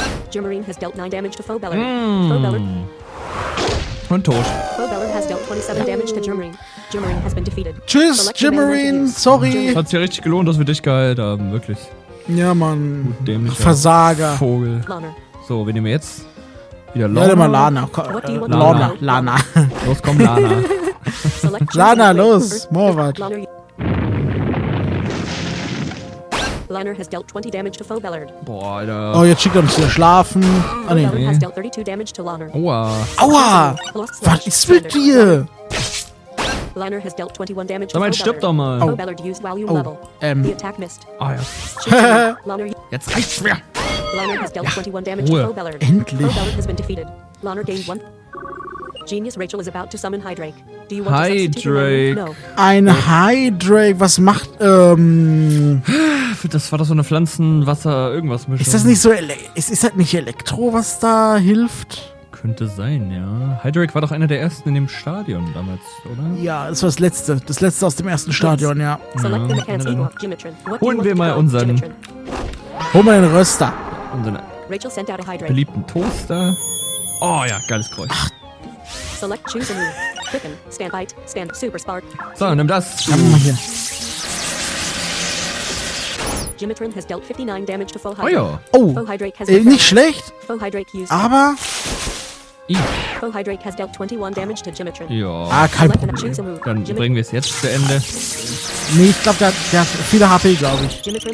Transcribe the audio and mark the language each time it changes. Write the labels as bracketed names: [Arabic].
[English] Germarine has dealt 9 damage to Foe Bellard. Mm. Foe Bellard. [German] Und tot. [English] Foe Bellard has dealt 27 damage to Germarine. Germarine has been defeated. [German] Tschüss, Germarine. Sorry. Es hat sich ja richtig gelohnt, dass wir dich geheilt haben. Wirklich. Ja, Mann. Versager. Vogel. So, wir nehmen jetzt wieder Lana. Warte mal, Lana. Lana. Los, komm, Lana. Lana, los. Morwart. [English] Liner has dealt 20 damage to Foe Bellard. [German] Boah, Alter. Oh, jetzt schickt er uns wieder schlafen. Ah, nee. Aua. Aua. Was ist mit dir? [English] Liner has dealt 21 damage to Foe Bellard. [German] Stirb doch mal. [English] Foe Bellard used while you level. The attack missed. [German] Ah, ja. Jetzt reicht's mir. [English] Liner has dealt 21 damage to Foe Bellard. [German] Endlich. [English] Foe Bellard has been defeated. Liner gained 1. Genius Rachel is about to summon Hydrake. Do you want Hydrake. [German] Ein Hydrake, was macht, Das war doch so eine Pflanzen-Wasser-Irgendwas-Mischung. Ist das nicht so, ist das nicht Elektro, was da hilft? Könnte sein, ja. Hydrake war doch einer der ersten in dem Stadion damals, oder? Ja, das war das letzte aus dem ersten Stadion, ja. Holen wir mal unseren... Hol mal den Röster. Unseren beliebten Toaster. Oh ja, geiles Kreuz. Ach. [English] Select, choose a move. Quicken, stand bite, stand, super spark. So, [German] nimm das. [English] Jimitrin has dealt 59 damage to Foe Hydrake. [German] Oh, ja. Oh. Nicht schlecht. [English] Foe Hydrake used. [German] Aber. [English] Foe Hydrake has dealt 21 damage to Jimitrin. [German] Ja. Ah, kein Problem. Dann bringen wir es jetzt zu Ende. Nee, ich glaube, der hat viele HP, glaube ich.